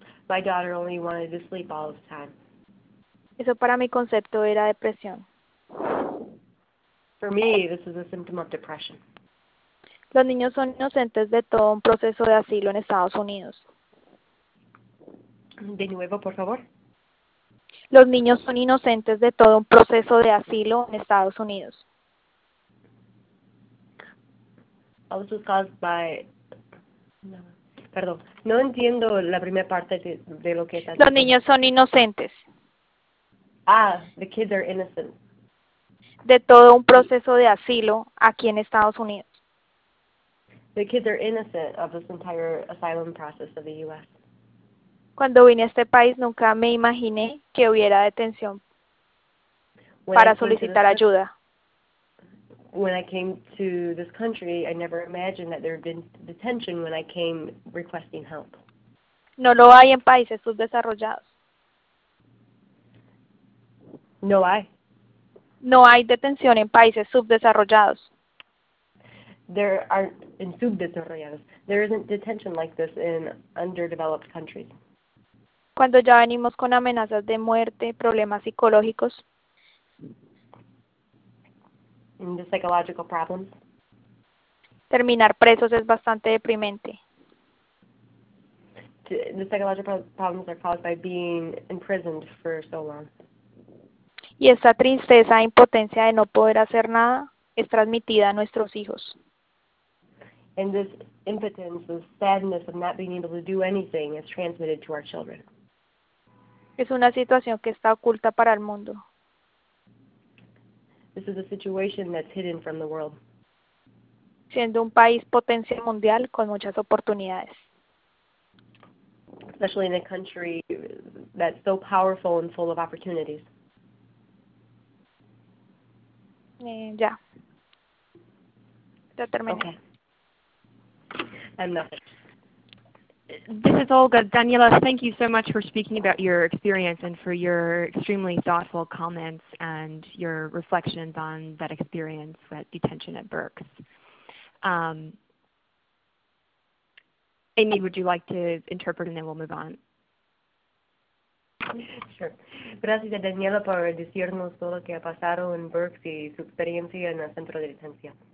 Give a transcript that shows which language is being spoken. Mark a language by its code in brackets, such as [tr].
[en] My daughter only wanted to sleep all the time. [es] Eso para mi concepto era depresión. [en] For me, this is a symptom of depression. [es] Los niños son inocentes de todo un proceso de asilo en Estados Unidos. De nuevo, por favor. Los niños son inocentes de todo un proceso de asilo en Estados Unidos. [en] All this was caused by... [es] Perdón, no entiendo la primera parte de lo que está diciendo. Los niños son inocentes. [en] Ah, the kids are innocent. [es] De todo un proceso de asilo aquí en Estados Unidos. [en] The kids are innocent of this entire asylum process of the U.S. [es] Cuando vine a este país, nunca me imaginé que hubiera detención para solicitar ayuda. [en] When I came to this country, I never imagined that there had been detention when I came requesting help. [es] No lo hay en países subdesarrollados. No hay. No hay detención en países subdesarrollados. [en] There aren't in subdesarrollados. There isn't detention like this in underdeveloped countries. [es] Cuando ya venimos con amenazas de muerte, problemas psicológicos. [en] In the psychological problems. [es] Terminar presos es bastante deprimente. [en] The psychological problems are caused by being imprisoned for so long. [es] Y esa tristeza e impotencia de no poder hacer nada es transmitida a nuestros hijos. [en] And this impotence, this sadness of not being able to do anything is transmitted to our children. [es] Es una situación que está oculta para el mundo. [en] This is a situation that's hidden from the world. [es] Siendo un país potencia mundial con muchas oportunidades. [en] Especially in a country that's so powerful and full of opportunities. [es] Ya. Ya terminé. [en] Okay. I'm not. This is Olga. Daniela, thank you so much for speaking about your experience and for your extremely thoughtful comments and your reflections on that experience with detention at Berks. Amy, would you like to interpret and then we'll move on? Sure. [es] Gracias, Daniela, por decirnos todo lo que ha pasado en Berks y su experiencia en el centro de detención.